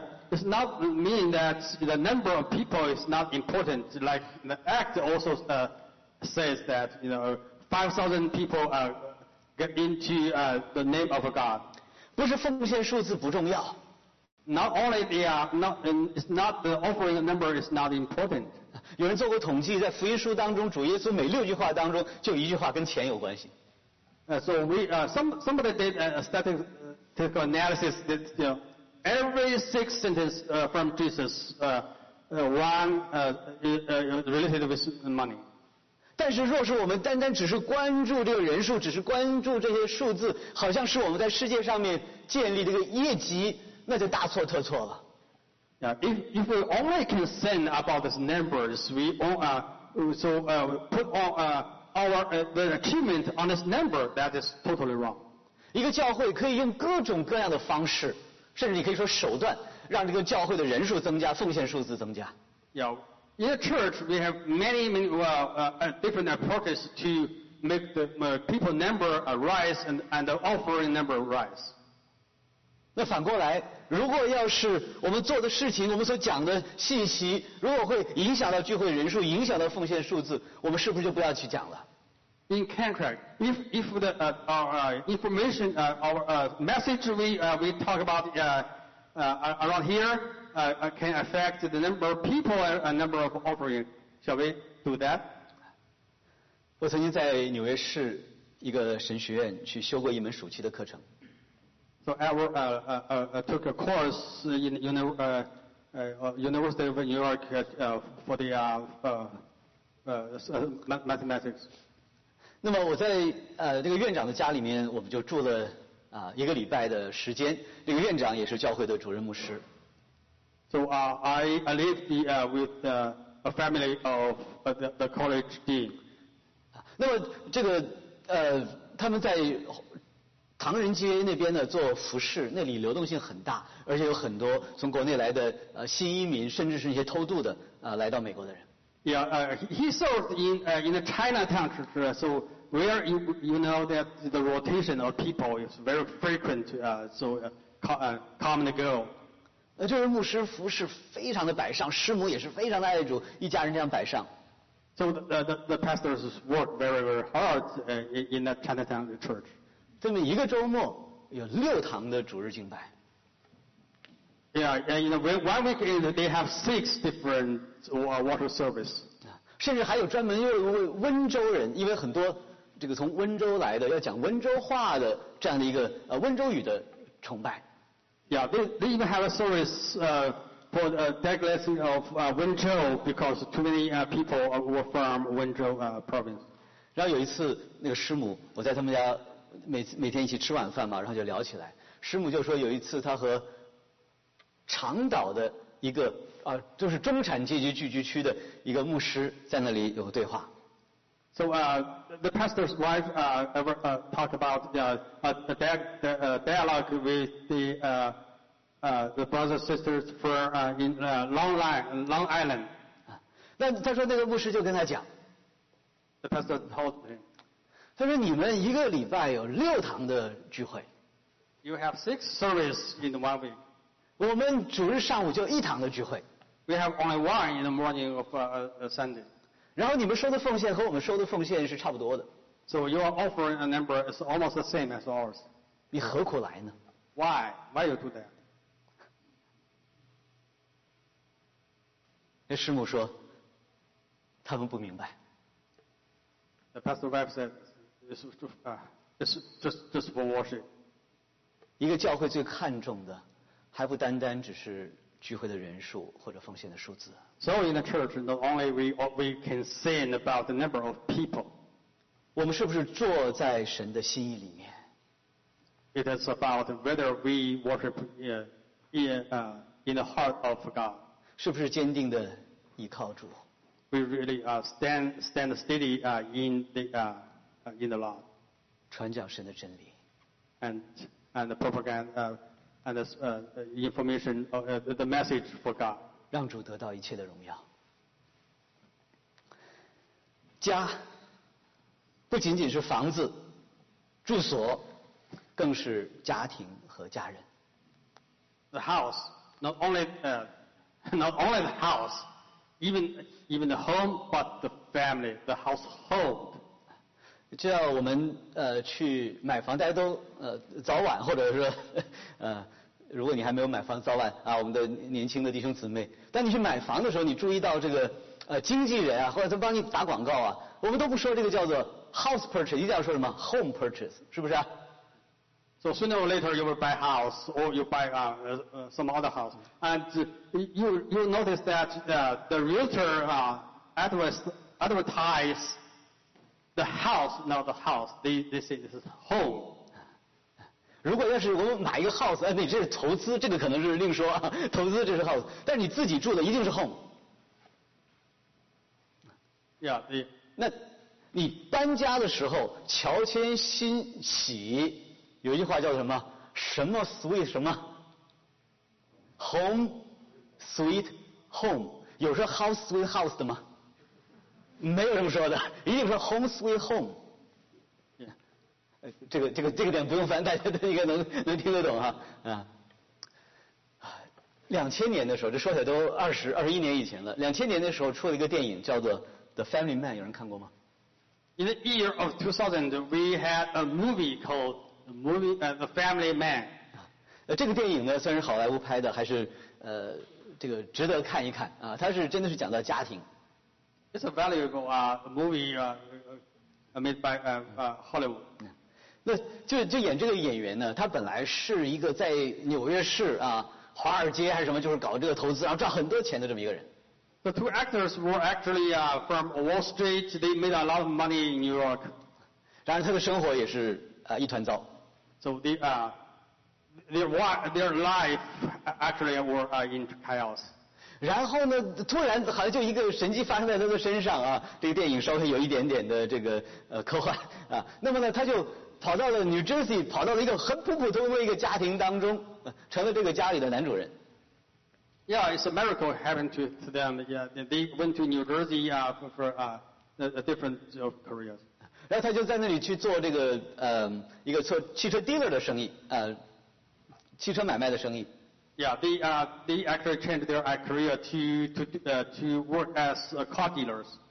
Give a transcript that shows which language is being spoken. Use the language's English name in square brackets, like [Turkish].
[English] It's not mean that the number of people is not important. Like the Act also says that you know 5,000 people get into the name of God. [Chinese] 不是奉献数字不重要。 [English] Not only they are not, it's not the offering number is not important. [Chinese] 有人做过统计，在福音书当中，主耶稣每六句话当中就一句话跟钱有关系。 [English] Somebody did a statistical analysis that you know, every six sentences from Jesus, one related with money. [Chinese] 但是若是我们单单只是关注这个人数，只是关注这些数字，好像是我们在世界上面建立这个业绩，那就大错特错了。 [English] Yeah, if we only concern about these numbers, the achievement on this number, that is totally wrong. [Chinese] 一个教会可以用各种各样的方式，甚至你可以说手段，让这个教会的人数增加，奉献数字增加。 [English] Yeah, in a church, we have many different approaches to make the people number rise and the offering number rise. [Chinese] 那反过来，如果要是我们做的事情，我们所讲的信息，如果会影响到聚会人数，影响到奉献数字，我们是不是就不要去讲了？ [English] In contrast, if the information, our message we talk about around here can affect the number of people and a number of offering, shall we do that? [Chinese] 我曾经在纽约市一个神学院去修过一门暑期的课程。 [English] So I took a course in University of New York for the mathematics. [Chinese] 那么我在这个院长的家里面，我们就住了一个礼拜的时间。这个院长也是教会的主任牧师。 [English] So I lived with a family of the college dean. [Chinese] 那么这个他们在唐人街那边呢做服饰，那里流动性很大，而且有很多从国内来的新移民，甚至是一些偷渡的来到美国的人。 [English] Yeah, he served in the Chinatown, so where you know that the rotation of people is very frequent, come and go. [Chinese] 就是牧师服饰非常的摆上，师母也是非常的爱主，一家人这样摆上。 [English] So the pastors work very, very hard in the Chinatown church. [Chinese] 这么一个周末有六堂的主日敬拜。 [English] Yeah, and you know, one week they have six different water service. [Chinese] 甚至还有专门为温州人，因为很多这个从温州来的要讲温州话的这样的一个温州语的崇拜。 [English] Yeah, they even have a service for the declaration of Wenzhou because too many people were from Wenzhou province. [Chinese] 然后有一次那个师母，我在他们家每天一起吃晚饭嘛，然后就聊起来，师母就说有一次他和长岛的一个就是中产阶级聚居区的一个牧师在那里有个对话。 [English] So the pastor's wife ever talked about dialogue with the brothers sisters for in Long Island. [Chinese] 那他说那个牧师就跟他讲。 [English] The pastor told him. [Chinese] 他说你们一个礼拜有六堂的聚会。 [English] You have six services in one week. [Chinese] 我们主日上午就一堂的聚会。 [English] We have only one in the morning of Sunday. [Chinese] 然后你们收的奉献和我们收的奉献是差不多的。 [English] So your offering a number is almost the same as ours. [Chinese] 你何苦来呢？ [English] Why you do that? [Chinese] 那师母说，他们不明白。 [English] The pastor wife said, it's just for worship. [Chinese] 一个教会最看重的还不单单只是聚会的人数或者奉献的数字。 [English] So in the church, not only we can sin about the number of people. [Chinese] 我们是不是坐在神的心意里面？ [English] It is about whether we worship in the heart of God. [Chinese] 是不是坚定的倚靠主？ [English] We really stand steady in the Lord. [Chinese] 传讲神的真理。 [English] And the propaganda. And this information, the message for God. [Chinese] 让主得到一切的荣耀。家不仅仅是房子、住所，更是家庭和家人。 [English] The house, not only the house, even the home, but the family, the household. [Chinese] 就像我们去买房，大家都早晚，或者说如果你还没有买房，早晚啊，我们的年轻的弟兄姊妹，当你去买房的时候，你注意到这个经纪人啊，或者他帮你打广告啊，我们都不说这个叫做 [English] house purchase， [Chinese] 一定要说什么 [English] home purchase， [Chinese] 是不是啊 [English] ？So sooner or later you will buy house or you buy some other house, and you notice that the realtor advertise. The house, not the house. They say this is home. [Chinese] 如果要是我们买一个 house， 哎，你这是投资，这个可能是另说啊。投资这是 house， 但是你自己住的一定是 home。 [English] Yeah, the. [Chinese] 那你搬家的时候，乔迁新喜，有一句话叫什么？什么 sweet 什么 ？ [English] Home, sweet home。 [Chinese] 有说 [English] house sweet house [Chinese] 的吗？没有这么说的，一定说 [English] home sweet home。 [Chinese] 这个点不用翻，大家都应该能听得懂哈。 2000年的时候，这说起来都21年以前了。2000年的时候出了一个电影叫做 The Family Man， 有人看过吗 [English] ？In the year of 2000, we had a movie called The Family Man。 [Chinese] 这个电影呢，虽然是好莱坞拍的，还是这个值得看一看啊。它是真的是讲到家庭。 [English] It's a valuable movie made by Hollywood. [Chinese] 那就演这个演员呢，他本来是一个在纽约市啊，华尔街还是什么，就是搞这个投资，然后赚很多钱的这么一个人。 [English] The two actors were actually from Wall Street. They made a lot of money in New York. [Chinese] 然而他的生活也是一团糟。 [English] So their life actually were in chaos. [Chinese] 然后呢突然好像就一个神迹发生在他的身上啊，这个电影稍微有一点点的这个科幻啊。那么呢他就跑到了 New Jersey， 跑到了一个很普普通通的一个家庭当中，成了这个家里的男主人。 [English] Yeah, it's a miracle happened to them. Yeah, they went to New Jersey for a different job career. [Chinese] 然后他就在那里去做这个一个做汽车 dealer 的生意，汽车买卖的生意。 [English] Yeah, they actually changed their career to work as car dealers.